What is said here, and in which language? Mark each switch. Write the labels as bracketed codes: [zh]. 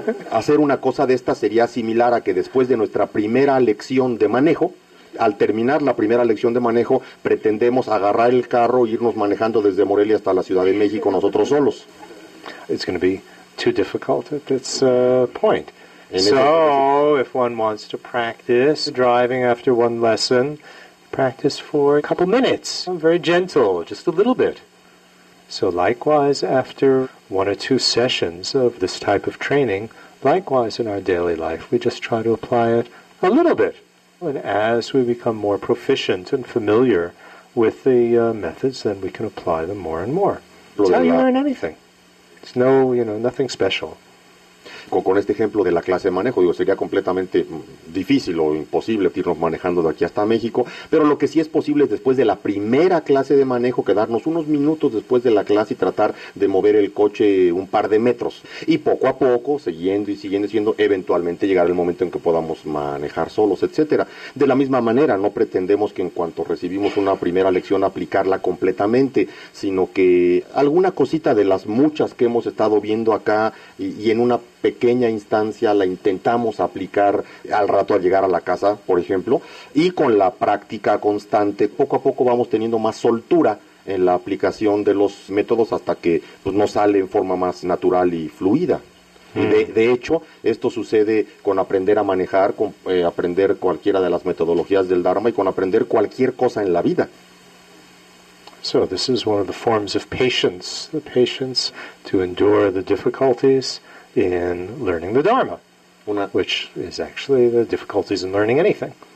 [es] Hacer una cosa de esta sería similar a que después de nuestra primera lección de manejo, al terminar la primera lección de manejo, pretendemos agarrar el carro e irnos manejando desde Morelia hasta la Ciudad de México nosotros solos. [en] It's going to be too difficult at this point. So, if one wants to practice driving after one lesson, practice for a couple minutes. I'm very gentle, just a little bit. So likewise, after one or two sessions of this type of training, likewise in our daily life, we just try to apply it a little bit. And as we become more proficient and familiar with the methods, then we can apply them more and more. It's how you learn anything. It's no, you know, nothing special. [es] Con este ejemplo de la clase de manejo, digo, sería completamente difícil o imposible irnos manejando de aquí hasta México, pero lo que sí es posible es después de la primera clase de manejo, quedarnos unos minutos después de la clase y tratar de mover el coche un par de metros. Y poco a poco, siguiendo y siguiendo, siendo eventualmente llegar el momento en que podamos manejar solos, etcétera. De la misma manera, no pretendemos que en cuanto recibimos una primera lección aplicarla completamente, sino que alguna cosita de las muchas que hemos estado viendo acá y en una pequeña instancia la intentamos aplicar al rato al llegar a la casa, por ejemplo, y con la práctica constante, poco a poco vamos teniendo más soltura en la aplicación de los métodos hasta que pues, nos sale en forma más natural y fluida. De hecho, esto sucede con aprender a manejar, con aprender cualquiera de las metodologías del Dharma y con aprender cualquier cosa en la vida. [en] So this is one of the forms of patience, the patience to endure the difficulties in learning the Dharma, which is actually the difficulties in learning anything.